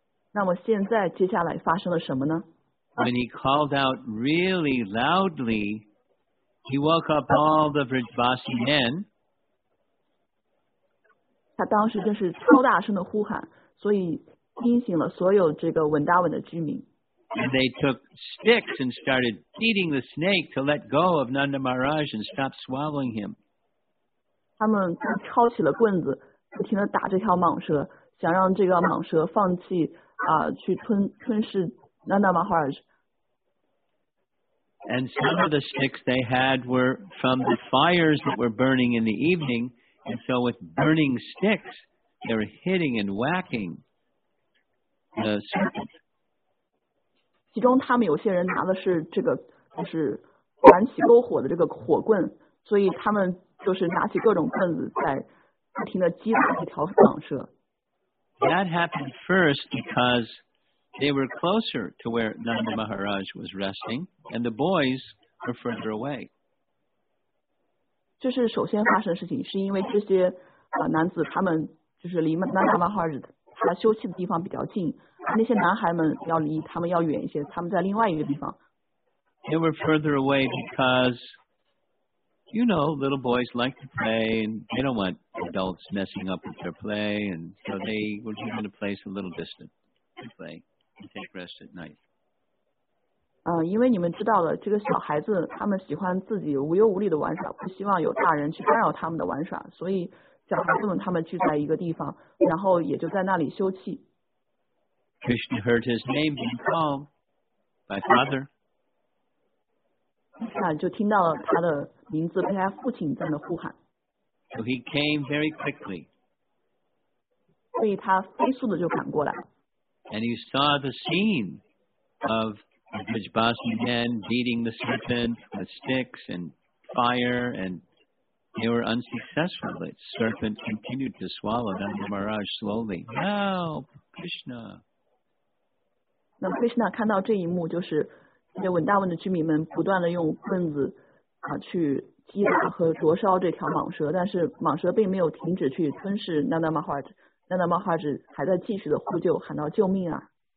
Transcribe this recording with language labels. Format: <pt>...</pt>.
<zh>那么现在接下来发生了什么呢？</zh> <en>When he called out really loudly. He woke up all the Vrijvasi men.</en> <zh>他当时真是超大声的呼喊，所以惊醒了所有这个文达文的居民。</zh> <en>And they took sticks and started beating the snake to let go of Nanda Maharaj and stop swallowing him.</en> <zh>他们抄起了棍子，不停的打这条蟒蛇，想让这个蟒蛇放弃去吞噬 Nanda Maharaj。</zh> <en>And some of the sticks they had were from the fires that were burning in the evening, and so with burning sticks, they were hitting and whacking the serpent.</en> <zh>其中他们有些人拿的是这个，就是燃起篝火的这个火棍，所以他们就是拿起各种棍子在不停的击打这条蟒蛇。</zh> <en>That happened first because. They were closer to where Nanda Maharaj was resting, and the boys were further away.</en> <zh>这是首先发生的事情，是因为这些男子他们就是离 Nanda Maharaj 他休息的地方比较近，那些男孩们要离他们要远一些，他们在另外一个地方。</zh> <en>They were further away because, you know, little boys like to play, and they don't want adults messing up with their play, and so they were just going to place a little distance to play. Take rest at night.</en> <zh>因为你们知道了，这个小孩子他们喜欢自己无忧无虑的玩耍，不希望有大人去干扰他们的玩耍，所以小孩子们他们聚在一个地方，然后也就在那里休憩。</zh> <en>Krishna heard his name being called by father.</en> <zh>就听到了他的名字被他父亲在那呼喊。</zh> <en>So he came very quickly.</en> <zh>所以他飞速的就赶过来。</zh> <en>And you saw the scene of Vrijbasa again, beating the serpent with sticks and fire, and they were unsuccessful. The serpent continued to swallow Nanda Maharaj slowly. Help, Krishna!</en> <zh>那 Krishna 看到这一幕，就是这文大文的居民们不断的用棍子啊去击打和灼烧这条蟒蛇，但是蟒蛇并没有停止去吞噬 Nanda Maharaj， Nanda Maharaj 还在继续的呼救，喊到救命啊！</zh>